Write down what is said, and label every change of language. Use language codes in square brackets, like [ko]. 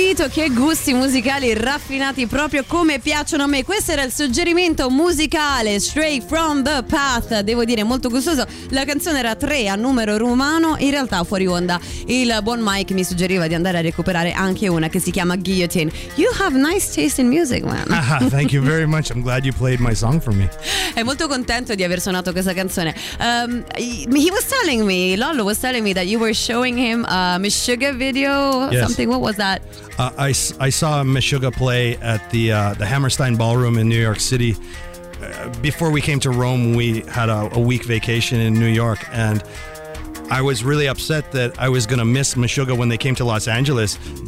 [it] Che gusti musicali raffinati, proprio come piacciono a me. Questo era il suggerimento musicale, Straight from the Path, devo dire molto gustoso. La canzone era 3 a numero romano, in realtà fuori onda il buon Mike mi suggeriva di andare a recuperare anche una che si chiama Guillotine. [en] You have nice taste in music, man. Thank you very much, I'm glad you played my song for me. [it] È molto contento di aver suonato questa canzone. [en] He was telling me, Lollo was telling me that you were showing him a Meshuggah video. Yes. Something, what was that? I saw Meshuggah play at the Hammerstein Ballroom in New York City. Before we came to Rome, we had a week vacation in New York, and I was really upset that I was going to miss Meshuggah when they came to Los Angeles.